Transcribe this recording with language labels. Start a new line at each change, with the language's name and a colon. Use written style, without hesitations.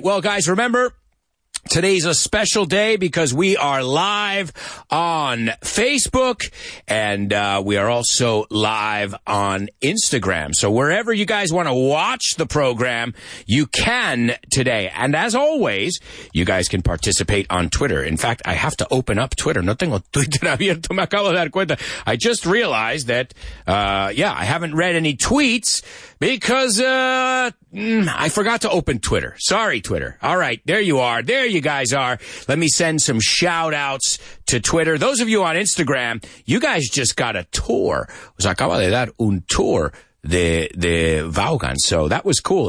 English: Well, guys, remember, today's a special day because we are live on Facebook and we are also live on Instagram. So wherever you guys want to watch the program, you can today. And as always, you guys can participate on Twitter. In fact, I have to open up Twitter.
Spanish: No tengo Twitter abierto, me acabo de dar cuenta.
English: I just realized that, I haven't read any tweets because, I forgot to open Twitter. Sorry, Twitter. All right, there you are. There you guys are. Let me send some shout outs to Twitter. Those of you on Instagram, you guys just got a tour.
Spanish: Os acaba de dar un tour de Vaughan.
English: So that was cool.